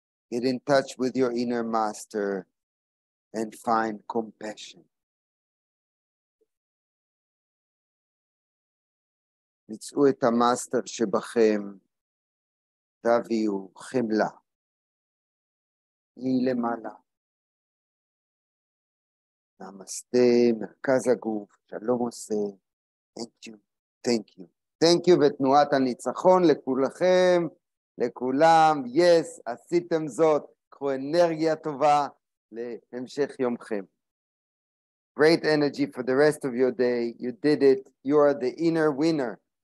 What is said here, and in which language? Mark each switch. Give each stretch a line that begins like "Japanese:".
English: Get in touch with your inner master and find compassion.
Hebrew: מצאו את המאסטר שבכם, תביאו חמלה. היא למעלה. נמסתה, מרכז הגוף, שלום עושה.
English: Thank you, thank you. Thank you
Hebrew: ותנועת הניצחון לכולכם. לכולם, יס, עשיתם זאת, קחו אנרגיה טובה להמשך יומכם.
English: Great energy for the rest of your day, you did it, you are the inner winner.